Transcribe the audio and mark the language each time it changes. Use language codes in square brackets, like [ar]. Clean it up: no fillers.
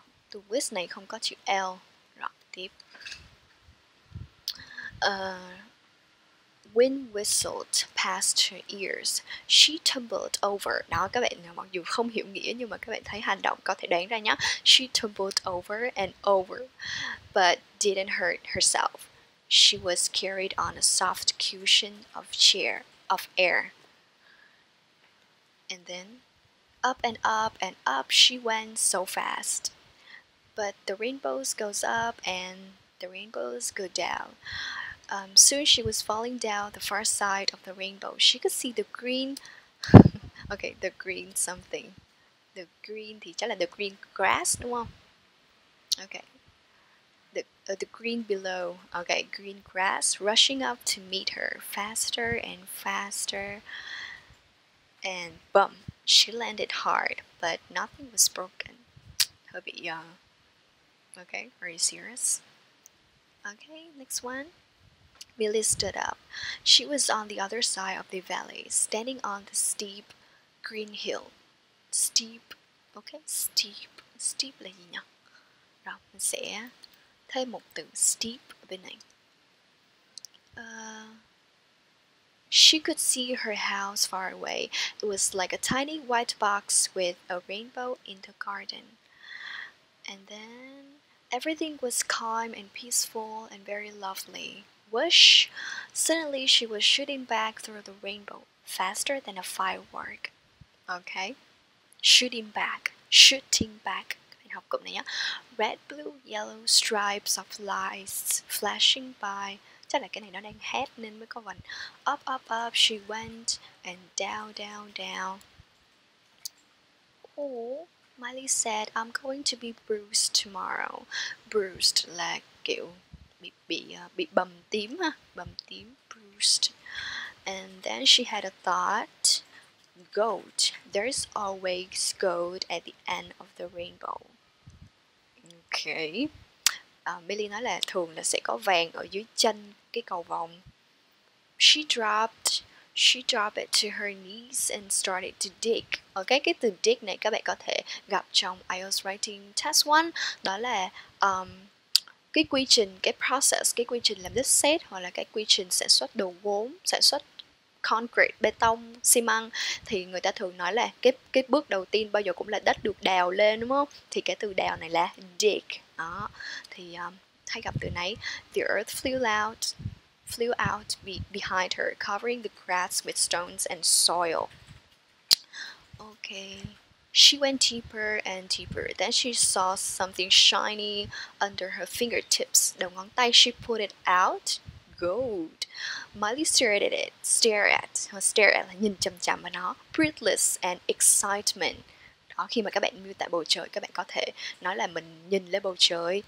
[vi] từ with này không có chữ L. Rồi, tiếp. [en] Wind whistled past her ears. She tumbled over. [vi] Đó, các bạn mặc dù không hiểu nghĩa nhưng mà các bạn thấy hành động có thể đoán ra nhá. [en] She tumbled over and over, but didn't hurt herself. She was carried on a soft cushion of chair of air. And then, up and up and up she went so fast. But the rainbows goes up and the rainbows go down. Soon she was falling down the far side of the rainbow. She could see the green, okay, the green something. [vi] The green thì chắc là [en] the green grass [vi] đúng không? [en] Okay. The green below, okay, green grass rushing up to meet her faster and faster. And bum, she landed hard, but nothing was broken. [vi] Hơi bị [en] young. Okay, are you serious? Okay, next one. Millie stood up. She was on the other side of the valley, standing on the steep green hill. Steep, okay, steep. Steep [vi] là gì nhỉ? Rồi, mình sẽ thêm một từ steep bên này. [en] She could see her house far away. It was like a tiny white box with a rainbow in the garden. And then everything was calm and peaceful and very lovely. Whoosh! Suddenly she was shooting back through the rainbow faster than a firework. Okay? Shooting back. Shooting back. [vi] Học cụm này nhá. [en] Red, blue, yellow stripes of lights flashing by. [vi] Chắc là cái này nó đang hét nên mới có vần. [en] Up, up, up, she went. And down, down, down. Oh, Miley said, I'm going to be bruised tomorrow. [vi] Bruised là kiểu bị bầm tím ha. Bầm tím, [en] bruised. And then she had a thought. Gold, there's always gold at the end of the rainbow. Okay. [vi] Millie nói là thường là sẽ có vàng ở dưới chân cái cầu vồng. [en] She dropped it to her knees and started to dig. [vi] Okay, cái từ dig này các bạn có thể gặp trong IELTS writing test 1. Đó là cái quy trình, cái process, cái quy trình làm đất sét hoặc là cái quy trình sản xuất đồ gốm, sản xuất concrete, bê tông, xi măng, thì người ta thường nói là cái bước đầu tiên bao giờ cũng là đất được đào lên đúng không? Thì cái từ đào này là dig. Đó. Thì hay gặp từ này. [en] The earth flew out behind her, covering the grass with stones and soil. Okay. She went deeper and deeper. Then she saw something shiny under her fingertips. [vi] Đầu ngón tay, [en] she pulled it out. Gold. Miley stared at it. [vi] Stare at là nhìn chằm chằm vào nó. [en] Breathless and excitement. [vi] Đó, khi mà các bạn miêu tả bầu trời, các bạn có thể nói là mình nhìn lên bầu trời.